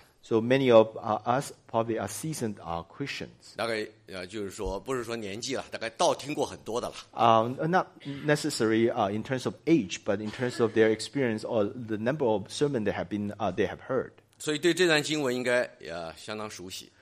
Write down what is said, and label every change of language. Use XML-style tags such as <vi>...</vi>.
<en>So many of us probably are seasoned Christians.</en> <zh>大概就是说，不是说年纪了，大概道听过很多的了。</zh> <en>Not necessary in terms of age, but in terms of their experience or the number of sermons they have heard.</en> <zh>所以对这段经文应该相当熟悉。</zh>